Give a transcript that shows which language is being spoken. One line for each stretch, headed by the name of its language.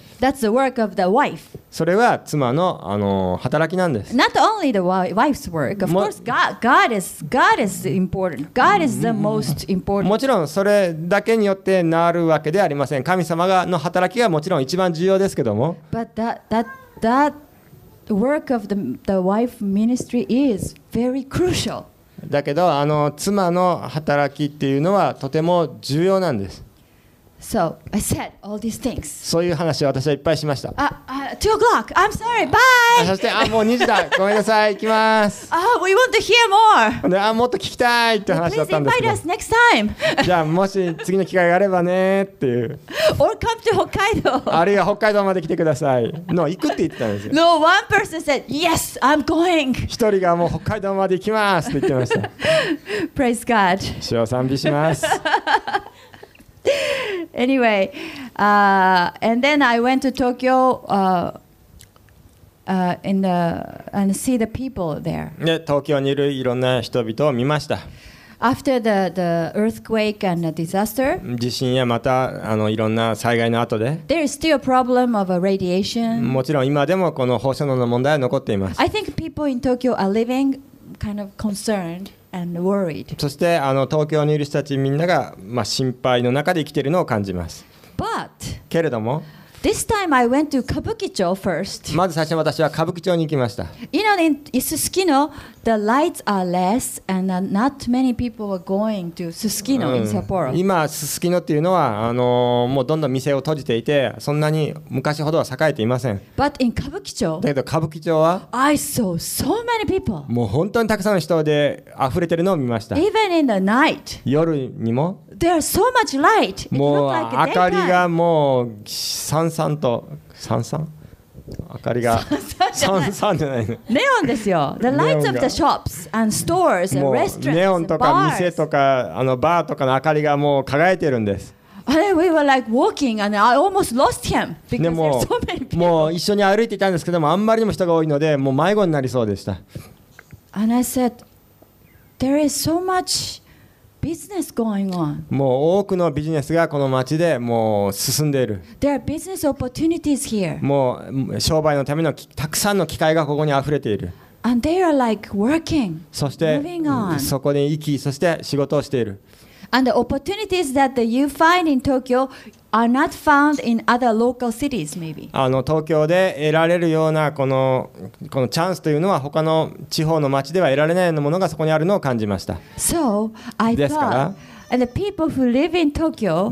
English: That's the work of the wife.
Japanese: それは妻の働きなんです。
English: Not only the wife's work. Of course, God is important. God is the most important.
Japanese: もちろんそれだけによってなるわけではありません。神様の働きがもちろん一番重要ですけども。
English: But that work of the wife ministry is very crucial.
Japanese: だけど妻の働きっていうのはとても重要なんです。
English: So I said all these things.
Japanese: そういう話を私はいっぱいしました。
English: 2 o'clock. I'm sorry. Bye.
Japanese: そして、もう2時だ。ごめんなさい。行きます。
English: We want to hear more.
Japanese: で、もっと聞きたいって話だったんですけど。
English: Please invite us next time.
Japanese: じゃあもし次の機会があればねっていう。
English: Or come to Hokkaido.
Japanese: あるいは北海道まで来てください。No, 行くって言ったんですよ。
English: No, one person said, Yes, I'm going.
Japanese: 一人がもう北海道まで行きますって言ってました。
English: Praise God.
Japanese: 主を賛美します。
English: Anyway, and then I went to Tokyo and see the people there.
Japanese: で、東京にいるいろんな人々を見ました。
English: After the earthquake and the disaster,
Japanese: 地震やまたいろんな災害の後で、
English: there is still a problem of a radiation.
Japanese: もちろん今でもこの放射能の問題は残っています。
English: I think people in Tokyo are living kind of concerned. And worried.
Japanese: そして東京にいる人たちみんなが、まあ、心配の中で生きているのを感じます。
English: But,
Japanese: けれども、
English: This time I went to Kabukicho first.
Japanese: まず最初に私は歌舞伎町に行きました。
English: You know, in Susukino, the lights are less and not many people are going to Susukino in Sapporo.
Japanese: 今、Susukinoっていうのは、もうどんどん店を閉じていて、そんなに昔ほどは栄えていません。
English: But in Kabukicho,
Japanese: だけど歌舞伎町は、
English: I saw so many people.
Japanese: もう本当にたくさんの人で溢れてるのを見ました。
English: Even in the night.
Japanese: 夜にも。
English: There are so much light. It looked like daytime.
Japanese: 明かりがもうさんさんとさんさん明かりがさんさんじゃないね。ネオンですよ。
English: The lights of the shops and stores and restaurants and bars.
Japanese: ネオンとか店とかバーとかの明かりがもう輝いてるんです。
English: And we were like walking and I almost lost him because there are so many people.
Japanese: もう一緒に歩いていたんですけども、あんまりにも人が多いので、もう迷子になりそうでした。
English: And I said, there is so much. Business going on.
Japanese: もう多くのビジネスがこの町でもう進んでいる。
English: There are business opportunities here.
Japanese: もう商売のためのたくさんの機会がここにあふれている。
English: And they are like working,
Japanese: そして
English: moving on.
Japanese: そこに行き、そして仕事をしている。
English: And the opportunities that you find in Tokyo are not found in other local cities, maybe.
Japanese: 東京で得られるようなこのチャンスというのは他の地方の町では得られないようなものがそこにあるのを感じました。
English: So, I thought, and the people who live in Tokyo,